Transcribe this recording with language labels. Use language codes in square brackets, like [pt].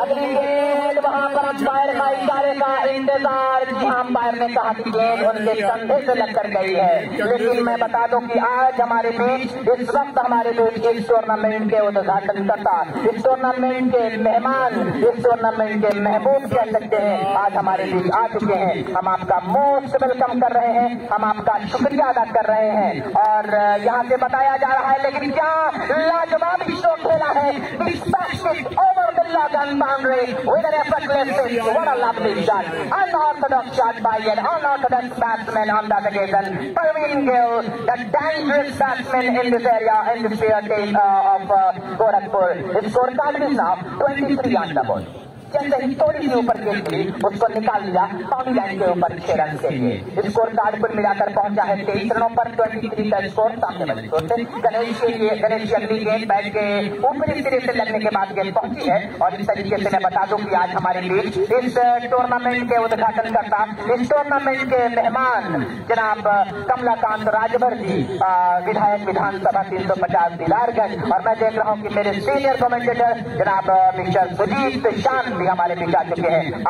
[hi] अगली गेंद वहां पर अंपायर का इशारे का इंतजार, जहां अंपायर ने कहा कि गेंद उनके कंधे से लगकर गई है, लेकिन मैं बता दूं कि आज हमारे बीच इस वक्त हमारे बीच इस टूर्नामेंट के उद्घाटनकर्ता, इस टूर्नामेंट के मेहमान, इस टूर्नामेंट के महबूब कह सकते हैं आज हमारे बीच आ चुके हैं। हम आपका मोस्ट वेलकम कर रहे हैं, हम आपका शुक्रिया अदा कर रहे हैं और यहां से बताया जा रहा है लेकिन क्या लाजवाब शो खेला है। [en] Over the log and boundary with an effortless finish. What a lovely shot. Unorthodox shot by an unorthodox batsman on that occasion. Parveen Gill, the dangerous batsman in this area, in this field of Gorakhpur. His score card is now 23 on the board. [hi] जैसे ही थोड़ी सी ऊपर गेंद थी उसको निकाल लिया pound line के ऊपर 6 रन के लिए। स्कोर कार्ड पर मिलाकर पहुंचा है 23 रनों पर 23 का स्कोर। सामने वाले स्कोर से गणेश के लिए, गणेश अगली गेंद बैट के ऊपरी सिरे से लगने के बाद गेंद पहुंची है और इस तरीके से मैं बता दूं कि आज हमारे लिए इस टूर्नामेंट के उद्घाटनकर्ता, इस टूर्नामेंट के मेहमान जनाब कमलाकांत राजभर जी विधायक विधानसभा 350 दीदारगंज और मैं देख रहा हूं कि मेरे सीनियर कमेंटेटर जनाब मिस्टर सुदीप शान भी हमारे बीच आ चुके हैं।